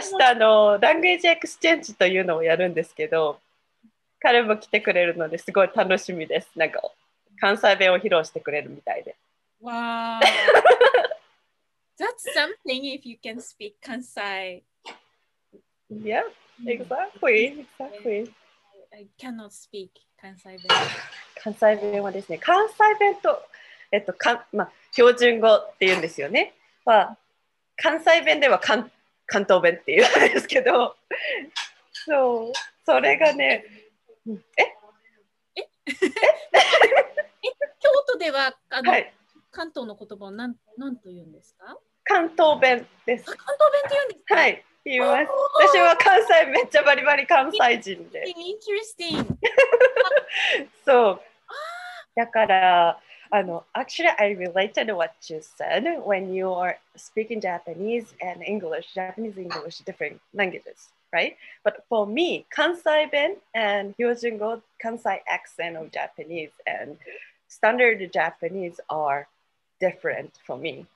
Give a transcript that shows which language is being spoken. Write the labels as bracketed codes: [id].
[ja] 明日のランゲージエクスチェンジというのをやるんですけど、彼も来てくれるのですごい楽しみです。なんか関西弁を披露してくれるみたいで。 [en] Wow, that's something if you can speak Kansai. Yeah, exactly. I cannot speak Kansai [ja] 弁。Kansai 弁はですね、関西弁と、まあ、標準語っていうんですよね。まあ、関西弁では関東弁っていうんですけど、そう、それがね、京都では、関東の言葉を何と言うんですか？関東弁です。関東弁と言うんですか？はい、言います。私は関西めっちゃバリバリ関西人で。 [en] Interesting. [ja] そう。だから、 [en] actually, I related what you said when you are speaking Japanese and English, Japanese, English, different languages, right? But for me, 関西弁 and 標準語、関西 accent of Japanese and standard Japanese areDifferent for me.